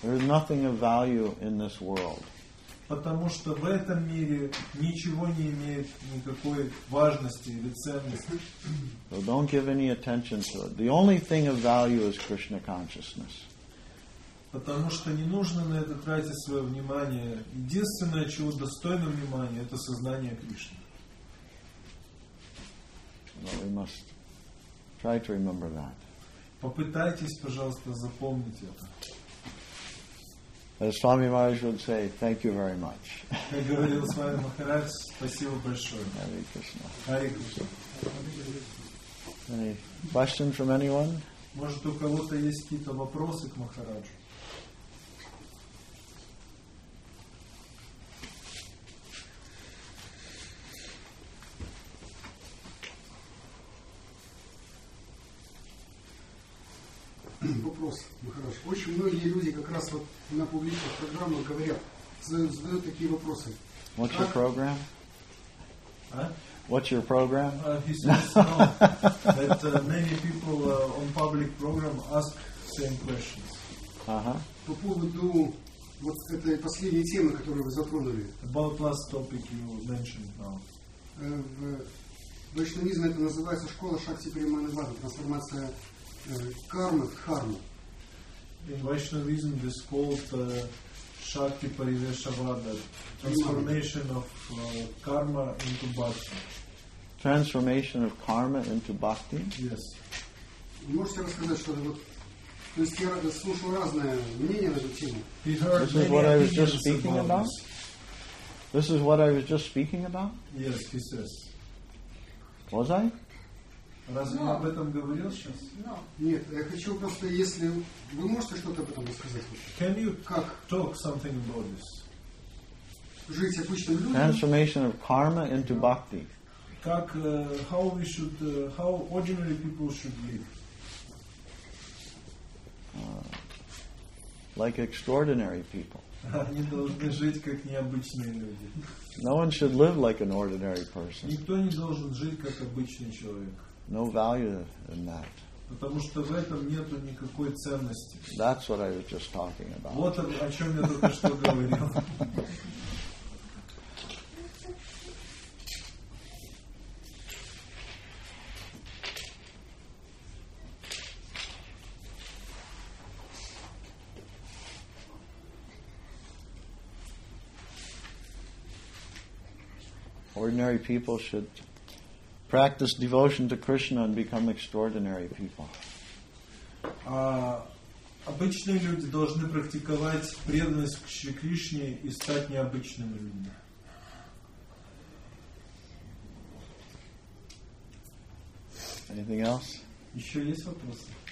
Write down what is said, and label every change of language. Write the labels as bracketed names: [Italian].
[English] There is nothing of value in this world. [Russian] Потому что в этом мире ничего не имеет никакой важности или ценности. [English] So don't give any attention to it. The only thing of value is Krishna consciousness. [Russian] Потому что не нужно на это тратить свое внимание. Единственное, чего достойно внимания, это сознание Кришны. [English] Well, we must try to remember that. [Russian] Попытайтесь, пожалуйста, запомнить это. [English] As Swami Maharaj would say, thank you very much. [Russian] Как говорил Swami Maharaj, спасибо большое. [Sanskrit] Hare Krishna. Hare Krishna. [English] Any question from anyone? [Russian] Может, у кого-то есть какие-то вопросы к Махараджу? Вопрос, Махарадж. Очень многие люди как раз вот на публичных программах говорят, задают такие вопросы. [English] What's your program? Huh? What's your program? He says no. That many people on public program ask same questions. [Russian] По поводу вот этой последней темы, которую вы затронули. [English] About last topic you mentioned now. [Russian] В вайшнавизме это называется школа Шакти Приманазады, трансформация кармы, дхармы. [English] In Vaishnavism this is called Shakti Parivesavada, transformation of karma into bhakti. Transformation of karma into bhakti? Yes. [Russian] Можете рассказать что-то? Вот, то есть я слушал разные мнения на эту тему. [English] This is what I was just speaking about? This is what I was just speaking about? Yes, he says. Was I? [Russian] Разве я об этом говорил сейчас? Нет, я хочу просто, если вы можете что-то об этом сказать. [English] Can you [Russian] как [English] talk something about this? [Russian] Жить обычным людям. [English] Transformation of karma into bhakti. [Russian] Как [English] how we should how ordinary people should live? Like extraordinary people. [Russian] Они должны жить как необычные люди. [English] No one should live like an ordinary person. [Russian] Никто не должен жить как обычный человек. [English] No value in that. [Russian] Потому что в этом нету никакой ценности. [English] That's what I was just talking about. [Russian] Вот о чем я только что говорил. [English] Ordinary people should practice devotion to Krishna and become extraordinary people. [Russian] Обычные люди должны практиковать преданность к Шри Кришне и стать необычными людьми. [English] Anything else? [Russian] Еще есть вопросы?